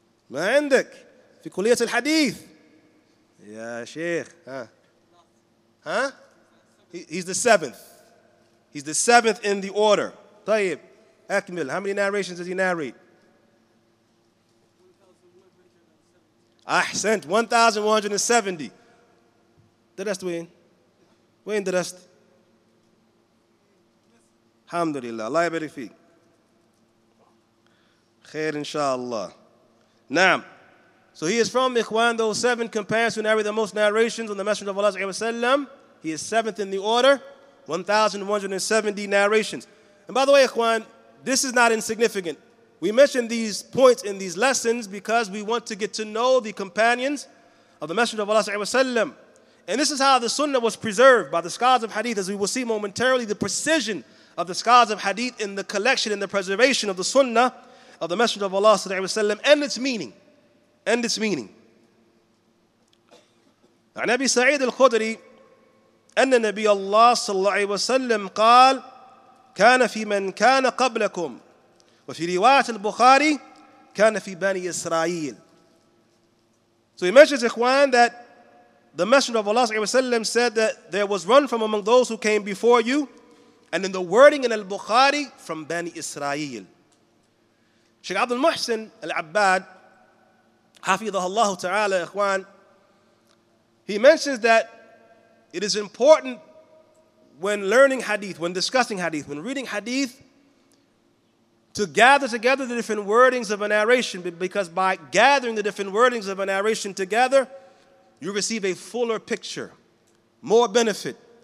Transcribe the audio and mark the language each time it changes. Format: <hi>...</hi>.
<ar>ما عندك في كلية الحديث يا شيخ</ar> <en>He's the seventh. He's the seventh in the order.</en> <ar>طيب أكمل.</ar> <en>How many narrations does he narrate?</en> <ar>أحسنت. 1,170. درست وين؟ وين درست؟ الحمد لله. الله يبارك فيك. خير إن شاء الله.</ar> <en>Now, so he is from Ikhwan, those seven companions who narrate the most narrations on the Messenger of Allah. He is seventh in the order, 1,170 narrations. And by the way, Ikhwan, this is not insignificant. We mention these points in these lessons because we want to get to know the companions of the Messenger of Allah. And this is how the Sunnah was preserved by the scholars of Hadith, as we will see momentarily the precision of the scholars of Hadith in the collection and the preservation of the Sunnah of the Messenger of Allah sallallahu alaihi wasallam and its meaning.</en> <ar>عن أبي سعيد الخدري أن النبي الله صلى الله عليه وسلم قال كان في من كان قبلكم وفي رواية البخاري كان في بني إسرائيل.</ar> <en>So he mentions, Ikhwan, that the Messenger of Allah sallallahu alaihi wasallam said that there was one from among those who came before you, and in the wording in al-Bukhari, from Bani Israel. Sheikh Abdul Muhsin Al-Abbad, Hafidhah Allah Ta'ala, Ikhwan, he mentions that it is important when learning hadith, when discussing hadith, when reading hadith, to gather together the different wordings of a narration, because by gathering the different wordings of a narration together, you receive a fuller picture, more benefit.</en>